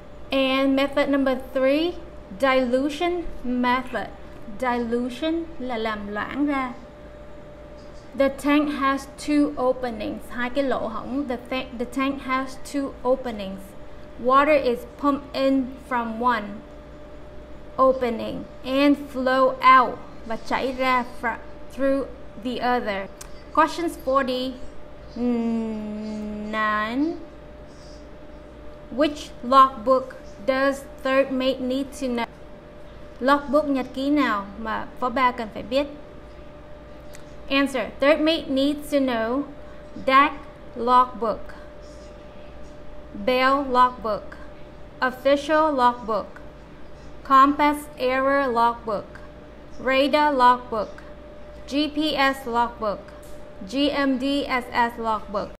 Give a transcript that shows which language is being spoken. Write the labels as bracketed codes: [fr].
[en] And method number 3, dilution method. [vi] Dilution là làm loãng ra. [en] The tank has two openings, [vi] hai cái lỗ hổng. [en] The tank has two openings. Water is pumped in from one opening and flow out, [vi] và chảy ra [en] through the other. Questions 49. Which logbook does third mate need to know? [vi] Logbook nhật ký nào mà phó ba cần phải biết? [en] Answer: third mate needs to know deck logbook, bell logbook, official logbook, compass error logbook, radar logbook, GPS logbook, GMDSS logbook.